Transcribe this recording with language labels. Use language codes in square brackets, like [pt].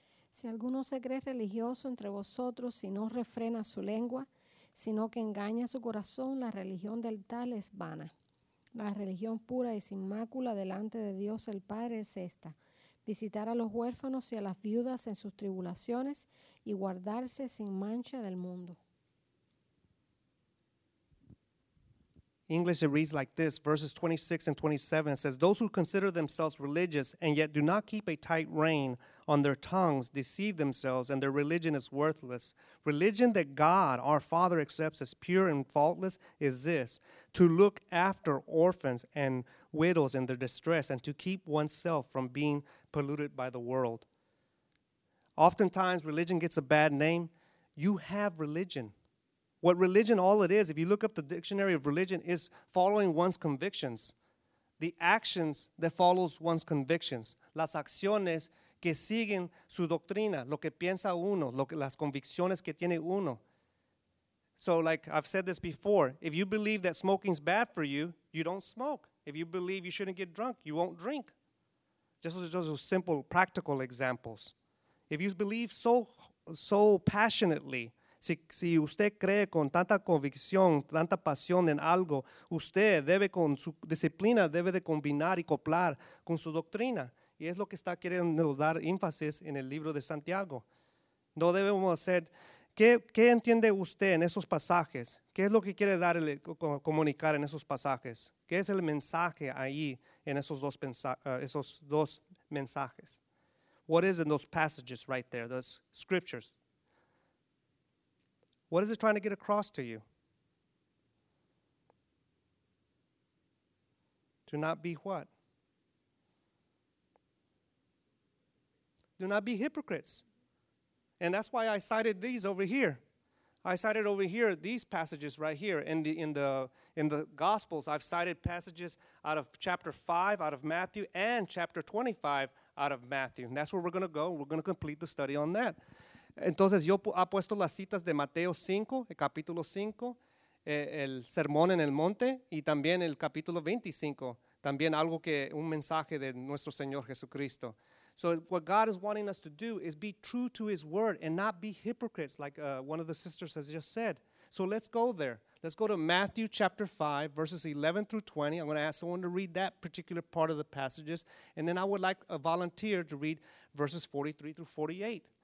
[es] Si alguno se cree religioso entre vosotros y no refrena su lengua, sino que engaña su corazón, la religión del tal es vana. La religión pura y sin mácula delante de Dios el Padre es esta: visitar a los huérfanos y a las viudas en sus tribulaciones y guardarse sin mancha del mundo. [en] English, it reads like this, verses 26 and 27, says, those who consider themselves religious and yet do not keep a tight rein on their tongues deceive themselves, and their religion is worthless. Religion that God, our Father, accepts as pure and faultless is this, to look after orphans and widows in their distress and to keep oneself from being polluted by the world. Oftentimes, religion gets a bad name. You have religion. What religion, all it is, if you look up the dictionary of religion, is following one's convictions. The actions that follows one's convictions. [es] Las acciones que siguen su doctrina, lo que piensa uno, las convicciones que tiene uno. [en] So like I've said this before, if you believe that smoking's bad for you, you don't smoke. If you believe you shouldn't get drunk, you won't drink. Just simple, practical examples. If you believe so passionately, [es] Si usted cree con tanta convicción, tanta pasión en algo, usted debe con su disciplina, debe de combinar y coplar con su doctrina. Y es lo que está queriendo dar énfasis en el libro de Santiago. No debemos hacer, ¿qué entiende usted en esos pasajes? ¿Qué es lo que quiere darle, comunicar en esos pasajes? ¿Qué es el mensaje ahí en esos dos mensajes? [en] What is in those passages right there, those scriptures? What is it trying to get across to you? To not be what? Do not be hypocrites. And that's why I cited these over here. I cited over here these passages right here in the Gospels. I've cited passages out of chapter 5 out of Matthew and chapter 25 out of Matthew. And that's where we're going to go. We're going to complete the study on that. [es] Entonces, yo he puesto las citas de Mateo 5, el capítulo 5, el sermón en el monte, y también el capítulo 25, también algo que un mensaje de nuestro Señor Jesucristo. [en] So what God is wanting us to do is be true to his word and not be hypocrites, like one of the sisters has just said. So let's go there. Let's go to Matthew chapter 5, verses 11 through 20. I'm going to ask someone to read that particular part of the passages, and then I would like a volunteer to read verses 43 through 48.